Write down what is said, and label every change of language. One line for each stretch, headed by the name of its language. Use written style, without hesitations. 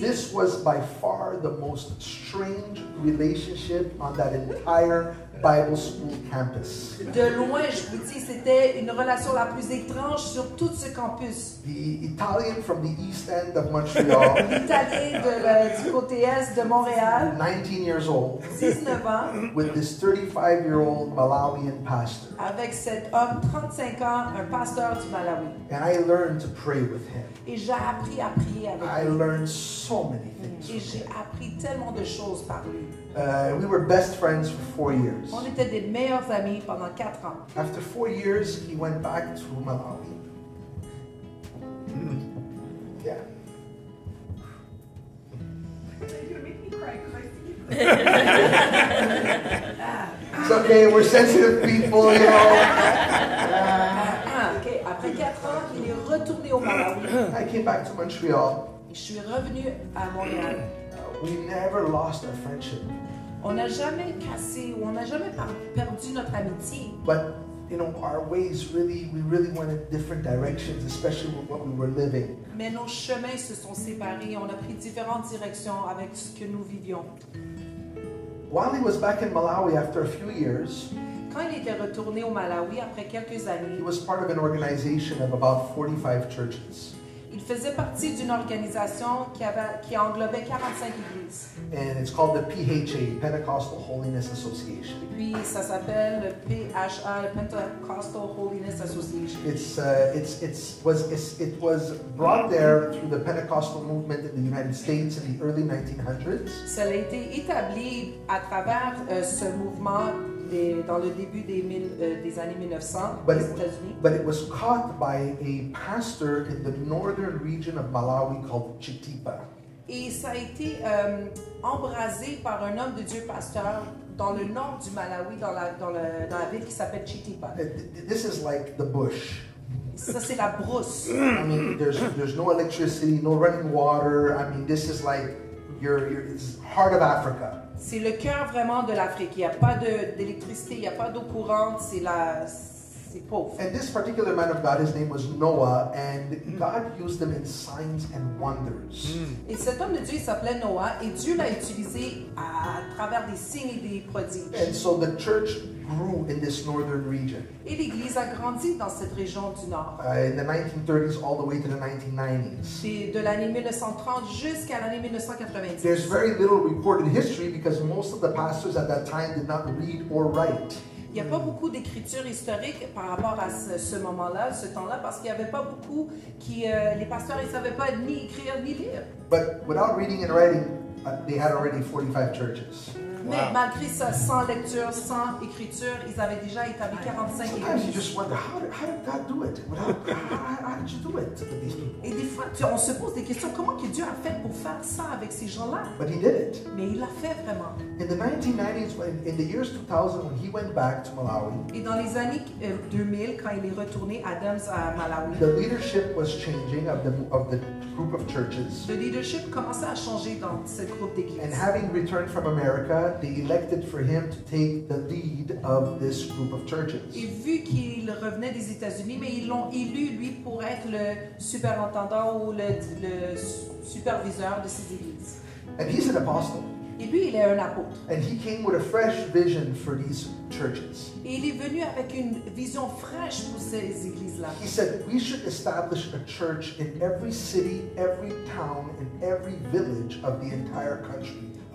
English: this was by far the most strange relationship on that entire Bible school campus.
French: De loin, je vous dis, c'était une relation la plus étrange sur tout ce campus.
English: The Italian from the east end of Montreal.
French: L'Italien du côté est de Montréal.
English: 19 years old.
French: 19 ans.
English: With this 35-year-old Malawian pastor.
French: Avec cet homme 35 ans, un pasteur du Malawi.
English: And I learned to pray with him.
French: Et j'ai appris à prier avec lui.
English: I learned so many things.
French: Et j'ai appris tellement de choses par lui.
English: We were best friends for 4 years.
French: On était des meilleurs amis pendant 4 ans.
English: After 4 years, he went back to Malawi. Yeah. It's okay, we're sensitive people, you know.
French: Okay, après 4 ans, il est retourné au Malawi.
English: I came back to Montreal.
French: Je suis revenu à Montréal.
English: We never lost our friendship.
French: On n'a jamais cassé ou on n'a jamais perdu notre amitié.
English: But you know, our ways really, we really went in different directions, especially with what we were living.
French: Mais nos chemins se sont séparés. On a pris différentes directions avec ce que nous vivions.
English: While he was back in Malawi after a few years,
French: quand il était retourné au Malawi après quelques années,
English: he was part of an organization of about 45 churches.
French: Il faisait partie d'une organisation qui englobait 45 églises.
English: And it's called the PHA, Pentecostal Holiness Association.
French: Et puis ça s'appelle le PHA, Pentecostal Holiness Association.
English: It was brought there through the Pentecostal movement in the United States in the early 1900s.
French: Ça a été établi à travers ce mouvement dans le début des années 1900 aux États-Unis.
English: But it was caught by a pastor in the northern region of Malawi called Chitipa.
French: Et ça a été embrasé par un homme de Dieu pasteur dans le nord du Malawi, dans la ville qui s'appelle Chitipa.
English: This is like the bush.
French: Ça, c'est la brousse.
English: I mean, there's no electricity, no running water. I mean, this is like your it's heart of Africa.
French: C'est le cœur vraiment de l'Afrique. Il n'y a pas d'électricité, il n'y a pas d'eau courante, c'est pauvre.
English: And this particular man of God, his name was Noah, and God used him in signs and wonders.
French: Et cet homme de Dieu, il s'appelait Noah, et Dieu l'a utilisé à travers des signes et des prodiges.
English: And so the church grew in this northern region.
French: Et l'église a grandi dans cette région du nord.
English: In the 1930s all the way to the 1990s.
French: De l'année 1930 jusqu'à l'année 1990.
English: There's very little recorded history because most of the pastors at that time did not read or write.
French: Il n'y a pas beaucoup d'écriture historique par rapport à ce moment-là, ce temps-là, parce qu'il n'y avait pas beaucoup qui, les pasteurs, ils ne savaient pas ni écrire ni lire.
English: But without reading and writing, they had already 45 churches.
French: Mais wow. Malgré ça, sans lecture, sans écriture, ils avaient déjà établi 45 églises.
English: Sometimes you just wonder, how did God do it? How did you do it to these people?
French: Et des fois, on se pose des questions, comment que Dieu a fait pour faire ça avec ces gens-là?
English: But he did it.
French: Mais il l'a fait vraiment.
English: In the 1990s, in the years 2000, when he went back to Malawi,
French: et dans les années 2000, quand il est retourné Adams à Malawi,
English: the leadership was changing of the group of churches.
French: Le leadership commençait à changer dans ce groupe d'églises.
English: And having returned from America, they elected for him to take the lead of this group of churches.
French: Et vu qu'il revenait des États-Unis, mais ils l'ont élu lui pour être le superintendant ou le superviseur de ces églises.
English: And he's an apostle.
French: Et lui, il est un apôtre.
English: And he came with a fresh vision for these churches.
French: Et il est venu avec une vision fraîche pour ces églises-là.
English: He said we should establish a church in every city, every town, and every village of the entire country.